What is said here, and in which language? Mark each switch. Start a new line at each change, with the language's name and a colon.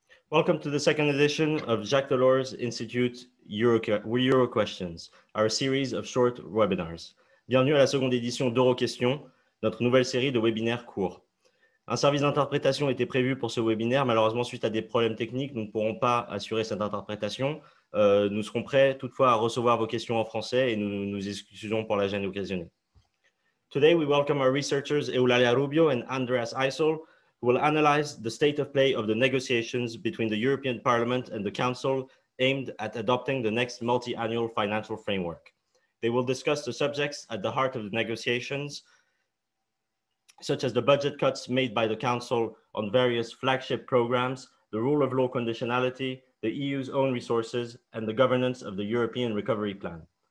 English: Welcome to the second edition of Jacques Delors Institute Euroquestions, our series of short webinars.
French: Bienvenue à la seconde édition d'Euroquestion, notre nouvelle série de webinaires courts. Un service d'interprétation était prévu pour ce webinaire. Malheureusement, suite à des problèmes techniques, nous ne pourrons pas assurer cette interprétation. Nous serons prêts toutefois à recevoir vos questions en français et nous nous excusons pour la gêne occasionnée.
English: Today, we welcome our researchers Eulalia Rubio and Andreas Eisl, who will analyze the state of play of the negotiations between the European Parliament and the Council aimed at adopting the next multi-annual financial framework. They will discuss the subjects at the heart of the negotiations, such as the budget cuts made by the Council on various flagship programs, the rule of law conditionality, the EU's own resources, and the governance of the European Recovery Plan.